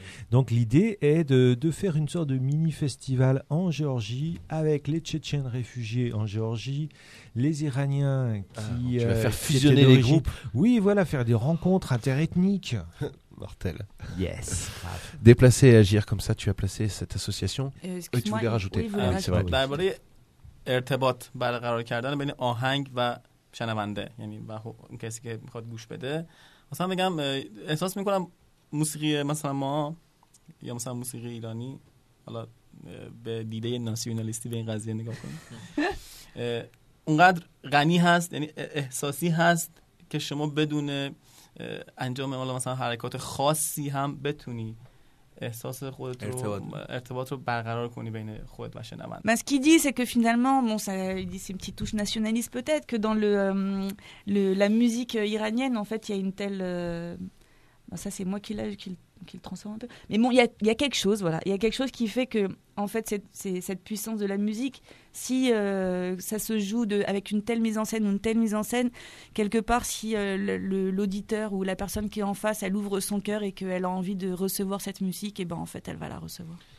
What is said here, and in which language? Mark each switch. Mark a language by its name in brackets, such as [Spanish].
[French] Donc l'idée est de faire une sorte de mini festival en Géorgie avec les Tchétchènes réfugiés en Géorgie, les Iraniens qui tu vas faire fusionner les groupes. Oui voilà faire des rencontres interethniques. Mortel. [English] Yes. [French] Déplacer et agir, comme ça tu as placé cette association. Oui, tu voulais rajouter. Oui, ah, c'est vrai. Dans le [Persian] ارتباط برقرار کردن بین آهنگ و شنونده یعنی با کسی که میخواد گوش بده. مثلا میگم احساس میکنم موسیقی مثلا ما یا مثلا موسیقی ایرانی حالا به دیده ناسیونالیستی به این قضیه نگاه کنیم. اونقدر غنی هست یعنی احساسی هست که شما بدونه انجام مثلا حرکات خاصی هم بتونی احساس خودت ارتباط رو برقرار کنی بین خودت و شنونده. [French] Mais ce qu'il dit c'est que finalement bon ça il dit c'est une petite touche nationaliste peut-être que dans la musique iranienne en fait il y a une telle ça c'est moi qui le transforme un peu. Mais bon il y a quelque chose voilà, il y a quelque chose qui fait que en fait cette puissance de la musique si ça se joue avec une telle mise en scène ou une telle mise en scène quelque part si l'auditeur ou la personne qui est en face elle ouvre son cœur et qu'elle a envie de recevoir cette musique et ben en fait elle va la recevoir.